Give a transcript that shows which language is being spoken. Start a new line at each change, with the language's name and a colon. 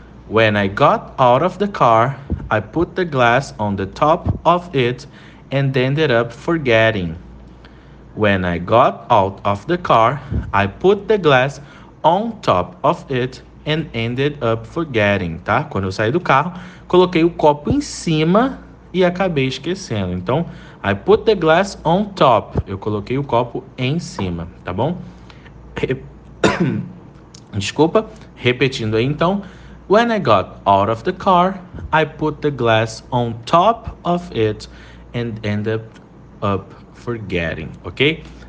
English: When I got out of the car, I put the glass on the top of it and ended up forgetting. When I got out of the car, I put the glass on top of it and ended up forgetting, tá?
Portuguese: Quando eu saí do carro, coloquei o copo em cima e acabei esquecendo. Então,
English: I put the glass on top.
Portuguese: Eu coloquei o copo em cima, tá bom? Desculpa, repetindo aí então.
English: When I got out of the car, I put the glass on top of it and ended up forgetting, ok?